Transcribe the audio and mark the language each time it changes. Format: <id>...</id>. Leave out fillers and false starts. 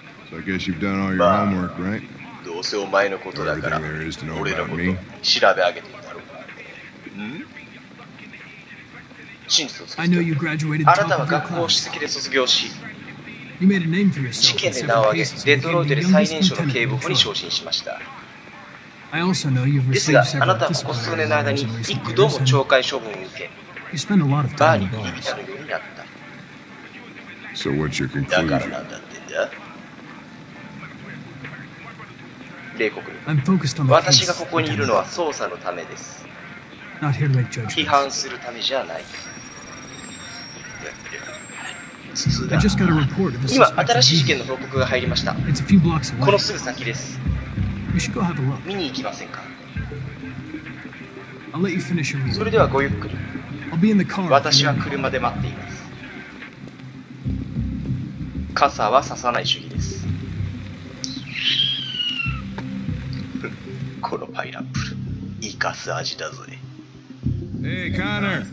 <en>So I guess you've done all your homework, right?</en> <ja>どうせお前のことだから、俺のこと調べ上げてるだろうからね。真実を突き止めた。あなたは学校を首席で卒業し、事件で名を挙げ、デトロイトで最年少の警部補に昇進しました。ですが、あなたはここ数年の間に幾度も懲戒処分を受け、バーに入り浸るようになった。</ja> <en>So what's your conclusion?</en> <ja>だからなんだってんだ。冷酷に。私がここにいるのは捜査のためです。</ja> <en>Not here to make judgments.</en> <ja>批判するためじゃない。</ja> <en>I just got a report of the suspect.</en> <ja>今新しい事件の報告が入りました。</ja> <en>It's a few blocks away.</en> <ja>このすぐ先です。</ja> <en>You should go have a look.</en> <ja>見に行きませんか。</ja> <en>I'll let you finish your meal.</en> <ja>それではごゆっくり。</ja> <en>I'll be in the car.</en> <ja>私は車で待っています。傘は刺さない主義です。このパイナップル、イカス味だぜ。</ja> <en>Hey, Connor.</en>